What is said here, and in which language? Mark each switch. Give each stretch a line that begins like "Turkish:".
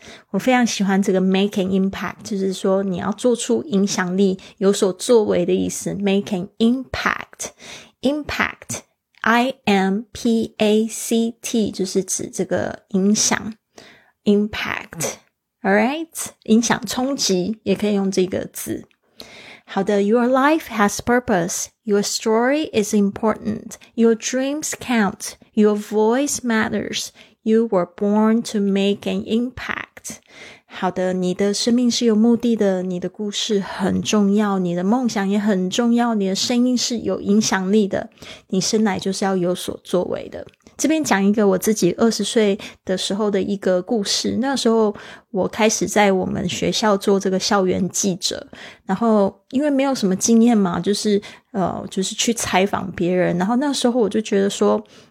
Chinese: 我非常喜欢这个
English: make an impact，
Chinese: 就是说你要做出影响力，有所作为的意思， make an impact， impactImpact 就是指这个影响 impact， alright， 影响冲击也可以用这个字。
English: 好的， Your life has purpose. Your story is important. Your dreams count. Your voice matters. You were born to make an impact.
Chinese: 好的，你的生命是有目的的，你的故事很重要，你的梦想也很重要，你的声音是有影响力的，你生来就是要有所作为的。这边讲一个我自己20岁的时候的一个故事。那时候我开始在我们学校做这个校园记者，然后因为没有什么经验嘛，就是去采访别人，然后那时候我就觉得说，